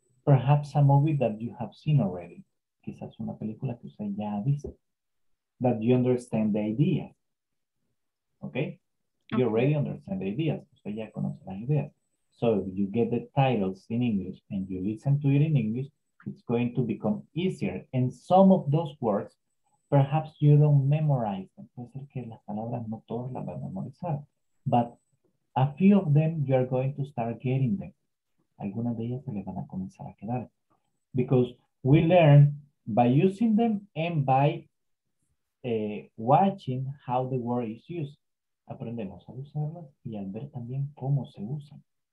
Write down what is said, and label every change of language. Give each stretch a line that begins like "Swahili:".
English: Perhaps a movie that you have seen already.
Spanish: Quizás una película que usted ya ha visto.
English: That you understand the idea. Okay? You already understand the ideas.
Spanish: Usted ya conoce las ideas.
English: So if you get the titles in English and you listen to it in English, it's going to become easier. And some of those words, perhaps you don't memorize them.
Spanish: Puede ser que las palabras no todas las van a memorizar.
English: But a few of them, you are going to start getting them.
Spanish: Algunas de ellas se les van a comenzar a quedar.
English: Because we learn by using them and by watching how the word is used.
Spanish: Aprendemos a usarlas y al ver también cómo se usan.